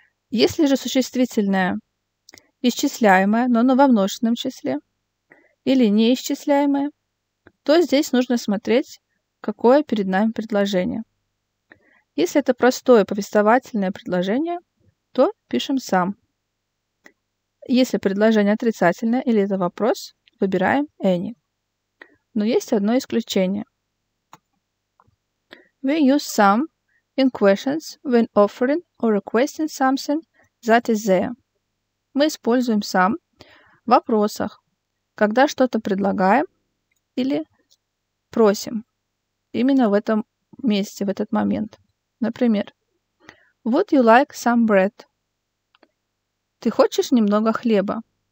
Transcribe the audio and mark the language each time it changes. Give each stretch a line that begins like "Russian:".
Russian: Если же существительное исчисляемое, но оно во множественном числе, или неисчисляемое, то здесь нужно смотреть, какое перед нами предложение. Если это простое повествовательное предложение, то пишем сам. Если предложение отрицательное или это вопрос, выбираем any. Но есть одно исключение.
English: We use some in questions when offering or requesting something that is there.
Russian: Мы используем some в вопросах, когда что-то предлагаем или просим. Именно в этом месте, в этот момент.
English: Например, would you like some bread?
Russian: Ты хочешь немного хлеба?